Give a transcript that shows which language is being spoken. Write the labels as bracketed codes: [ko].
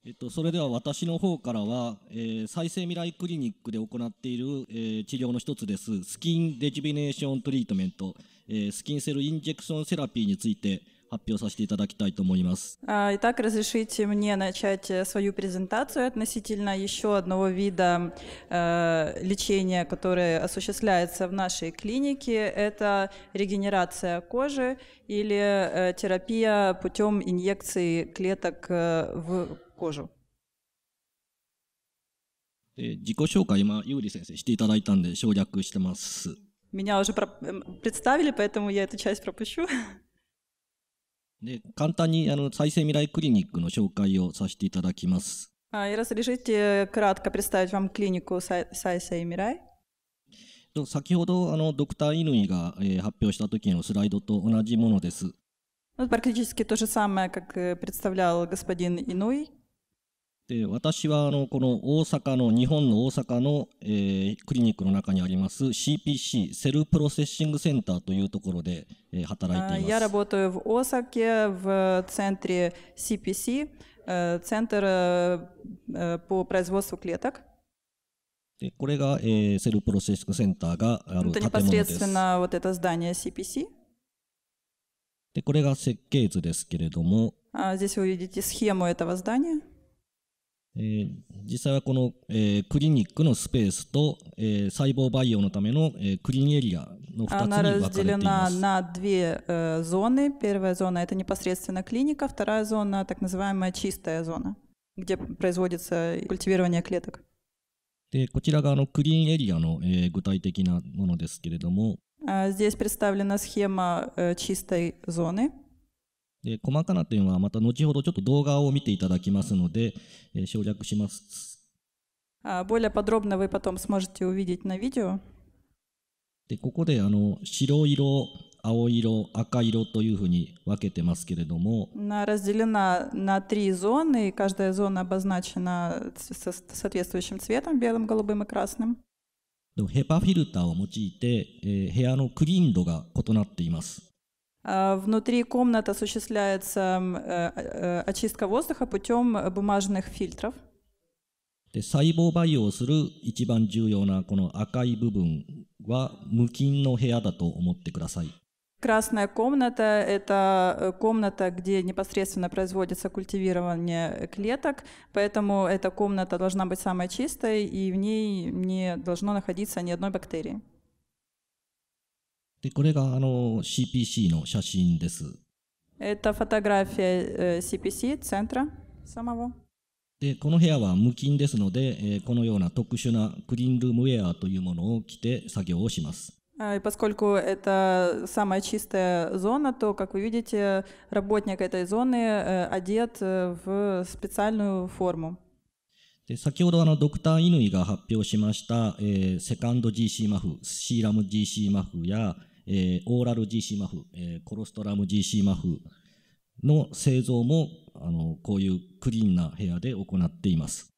[ja] それでは私の方からは、再生未来クリニックで行っている、治療の一つですスキンレジュビネーショントリートメント、スキンセルインジェクションセラピーについて発表させていただきたいと思います。 [ru] Итак, разрешите мне начать свою презентацию относительно еще одного вида лечения, которое осуществляется в нашей клинике. Это регенерация кожи или терапия путем инъекции клеток в кожу. [ja] 自己紹介今ユーリ先生していただいたんで省略してます。 [ru] Меня уже представили, поэтому я эту часть пропущу. [ja] で簡単にあの再生未来クリニックの紹介をさせていただきます。 [ru] Разрешите кратко представить вам клинику 再生未来。 [ja] 先ほどあのドクター・イヌイが、発表した時のスライドと同じものです。 [ru] Практически то же самое, как представлял господин Инуй。 [ja] で私はあのこの大阪の日本の大阪の、クリニックの中にあります CPC セルプロセッシングセンターというところで、働いています。 [ru] Я работаю в Осаке в центре CPC, центр по производству клеток. [ja] でこれが、セルプロセッシングセンターがある建物です。 [ru] Это непосредственно вот это здание CPC. [ja] でこれが設計図ですけれども。 [ru] Здесь вы видите схему этого здания. [ja] 実際はこの、クリニックのスペースと、細胞培養のための、クリーンエリアの2つに分かれています。 [ru] Она разделена на две зоны. Первая зона это непосредственно клиника, вторая зона так называемая чистая зона, где производится культивирование клеток. [ja] で、こちらがあのクリーンエリアの、具体的なものですけれども。 [ru] Здесь представлена схема чистой зоны. [ja] で細かな点はまた後ほどちょっと動画を見ていただきますので、省略します。 [ru] Более подробно вы потом сможете увидеть на видео. [ja] でここであの白色、青色、赤色というふうに分けてますけれども。 [ru] Она разделена на три зоны, и каждая зона обозначена соответствующим цветом, белым, голубым и красным. [ja] ヘパフィルターを用いて、部屋のクリーン度が異なっています。 [ru] Внутри комнат осуществляется очистка воздуха путем бумажных фильтров. [ja] で、細胞培養する一番重要なこの赤い部分は無菌の部屋だと思ってください。 [ru] Красная комната – это комната, где непосредственно производится культивирование клеток, поэтому эта комната должна быть самой чистой, и в ней не должно находиться ни одной бактерии. [ja] でこれがあの CPC の写真です。 [ru] Это фотография CPC центра самого. [ja] でこの部屋は無菌ですので、このような特殊なクリーンルームウェアというものを着て作業をします。 [ru] Поскольку это самая чистая зона, то, как вы видите, работник этой зоны одет в специальную форму. [ja] で先ほどあのドクター・イヌイが発表しました、セカンド GC マフ、シーラム GC マフや、オーラル GC マフ、コロストラム GC マフの製造もあのこういうクリーンな部屋で行っています。